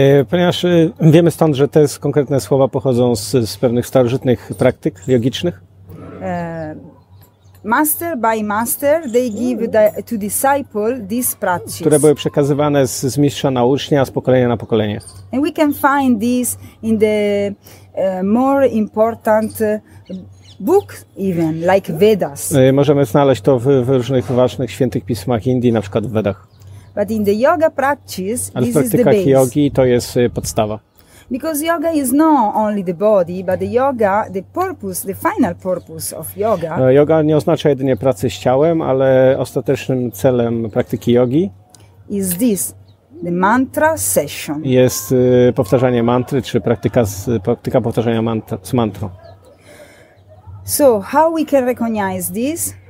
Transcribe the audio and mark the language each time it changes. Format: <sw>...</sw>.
<pl>Ponieważ wiemy stąd, że te konkretne słowa pochodzą z pewnych starożytnych praktyk jogicznych.</pl> <en>Master by master, they give to disciple this practice.</en> <pl>Które były przekazywane z mistrza na ucznia, z pokolenia na pokolenie.</pl> <en>And we can find this in the more important book even, like Vedas.</en> <pl>Możemy znaleźć to w różnych ważnych świętych pismach Indii, na przykład w Vedach.</pl> <en>But in the yoga practice,</en> <pl>ale w</pl> <en>this</en> <pl>praktykach</pl> <en>is the base.</en> <pl>Jogi to jest podstawa.</pl> <en>Because yoga is not only the body, but the yoga, the purpose, the final purpose of yoga.</en> <pl>Yoga nie oznacza jedynie pracy z ciałem, ale ostatecznym celem praktyki jogi</pl> <en>is this, the mantra session.</en> <pl>Jest powtarzanie mantry, czy praktyka powtarzania z mantrą.</pl> <en>So how we can recognize this?</en>